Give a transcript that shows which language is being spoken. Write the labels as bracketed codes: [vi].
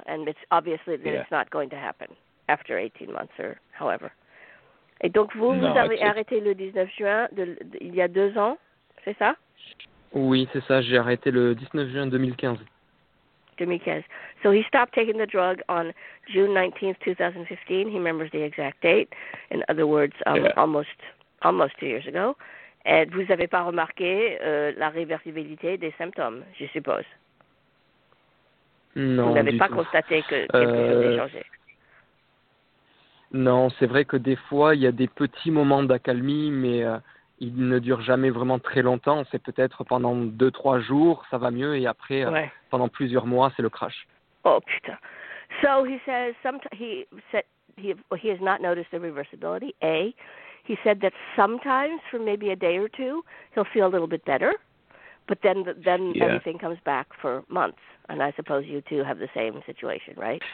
[en] And it's obviously that it's not going to happen after 18 months or however. [fr] Et donc vous, [en] no, [fr] vous avez arrêté le 19 juin il y a deux ans, c'est ça? Oui, c'est ça. J'ai arrêté le 19 juin 2015. 2015. [en] So he stopped taking the drug on June 19th, 2015. He remembers the exact date. In other words, almost 2 years ago. [fr] Et vous n'avez pas remarqué la réversibilité des symptômes, je suppose. Non, vous n'avez pas tout constaté que quelque chose a changé. Non, c'est vrai que des fois, il y a des petits moments d'accalmie, mais ils ne durent jamais vraiment très longtemps. C'est peut-être pendant 2-3 jours, ça va mieux, et après, pendant plusieurs mois, c'est le crash. Oh putain. [en] So he says he has not noticed the reversibility. A, he said that sometimes for maybe a day or two, he'll feel a little bit better, but then everything comes back for months. And I suppose you two have the same situation, right?